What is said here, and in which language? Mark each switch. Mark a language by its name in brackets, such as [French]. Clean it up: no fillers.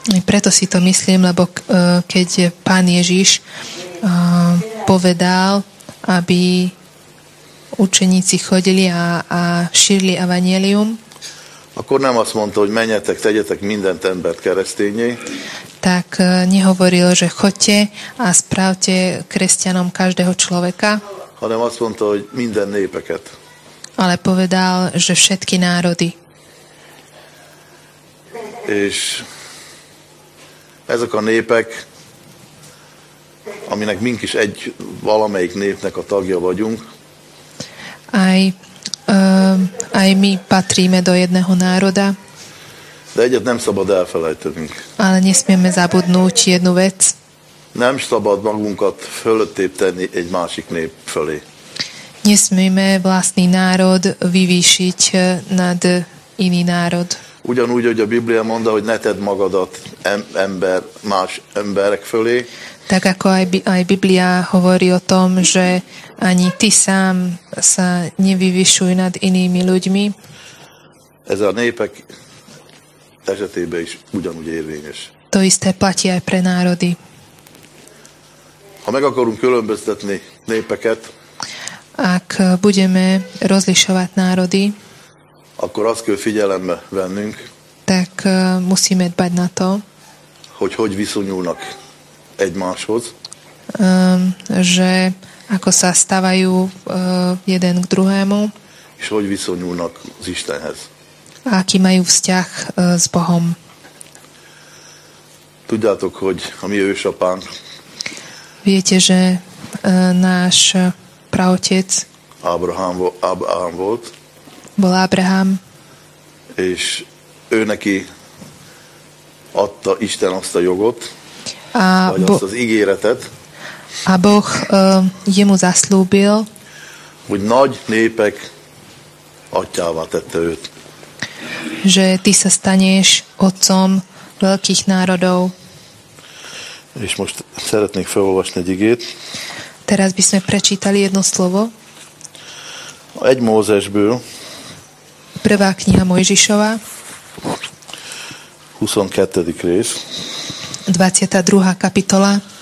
[Slovak] Preto si to myslím, lebo keď Pán Ježiš povedal, aby učeníci chodili a šírili evangelium. [Hungarian] Akkor nem azt mondta, hogy menjetek, tegyetek mindent embert keresztényé. [Slovak] Tak nehovoril, že choďte a správte kresťanom každého človeka. [Hungarian] Hanem azt mondta, hogy minden népeket. [Slovak] Ale povedal, že všetky národy. [Hungarian] És ezek a népek, aminek mink is egy valamelyik népnek a tagja vagyunk. [Slovak] Aj mi patríme do jedného národa. [Hungarian] De egyet nem szabad elfelejtenünk. [Slovak] Ale nesmieme zabudnúť jednu vec. [Hungarian] Nem szabad magunkat fölöttébb tenni egy másik nép fölé. [Slovak] Nesmieme vlastný národ vyvýšiť nad iný národ. [Hungarian] Ugyanúgy, hogy a Biblia mondta, hogy ne tedd magadat ember, más emberek fölé. [Slovak] Tak ako aj Biblia hovorí o tom, že ani ty sám sa nevyvyšuj nad inými ľuďmi. [Hungarian] Ez a népek esetében is ugyanúgy érvényes. [Slovak] To isté platí aj pre národy. [Hungarian] Ha meg akarunk különböztetni népeket, [Slovak] ak budeme rozlišovať národy, [Hungarian] akkor azt kell figyelembe vennünk, [Slovak] tak musíme dbať na to, [Hungarian] hogy viszonyulnak egymáshoz, [Slovak] že ako sa stávajú jeden k druhému, [Hungarian] és hogy viszonyulnak z Istenhez. [Slovak] Aký majú vzťah s Bohom. [Hungarian] Tudjátok, hogy a mi ősapánk, [Slovak] viete, že náš praotec [Hungarian] Abraham volt. [Slovak] Bol Abraham. [Hungarian] És ő neki adta Isten azt a jogot, vagy azt az ígéretet. [Slovak] A Boh jemu zaslúbil, [Hungarian] hogy nagy népek atyává tette őt. [Slovak] Že ty sa staneš otcom veľkých národov. [Hungarian] És most szeretnék felolvasni egy igét. [Slovak] Teraz by sme prečítali jedno slovo. [Hungarian] Egy Mózesből. [Slovak] Prvá kniha Mojžišova. [Hungarian] 22. rész. [Slovak] 22. kapitola.